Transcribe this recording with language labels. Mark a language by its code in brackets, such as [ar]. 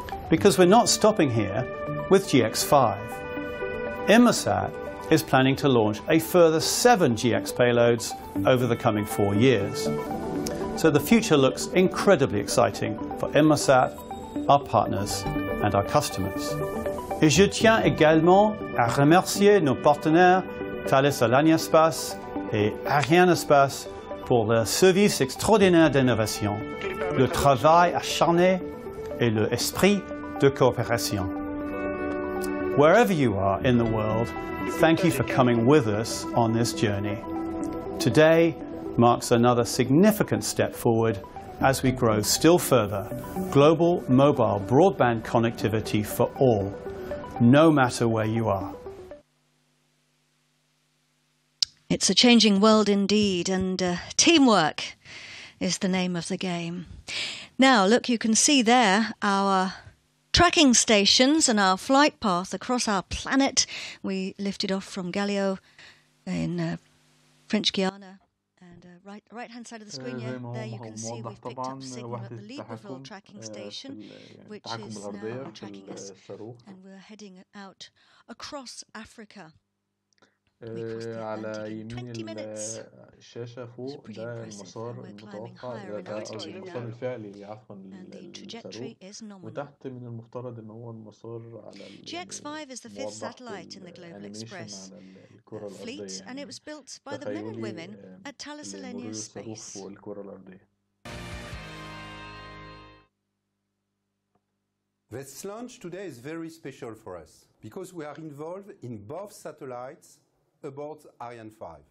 [en] Because we're not stopping here with GX5. Inmarsat is planning to launch a further seven GX payloads over the coming 4 years. So the future looks incredibly exciting for Inmarsat, our partners, and our customers. [fr] Et je tiens également à remercier nos partenaires Thales Alenia Space et ArianeSpace pour leur service extraordinaire d'innovation, le travail acharné et l'esprit de coopération. [en] Wherever you are in the world, thank you for coming with us on this journey. Today marks another significant step forward as we grow still further global mobile broadband connectivity for all, no matter where you are. It's a changing world indeed, and teamwork is the name of the game. Now, look, you can see there our tracking stations and our flight path across our planet. We lifted off from Galileo in French Guiana. Right-hand side of the screen, yeah, there you can see we've picked up signal at the Leap of All tracking station, which is now tracking us, and we're heading out across Africa. [ar] على يمين الشاشة فوق ده المسار المتوقع المسار الفعلي عفوا للصاروخ وتحت من المفترض ان هو المسار على [en] GX5 is the fifth satellite in the Global Express fleet and it was built by the men and women at Thales Alenia Space. This launch today is very special for us because we are involved in both satellites aboard Ariane 5.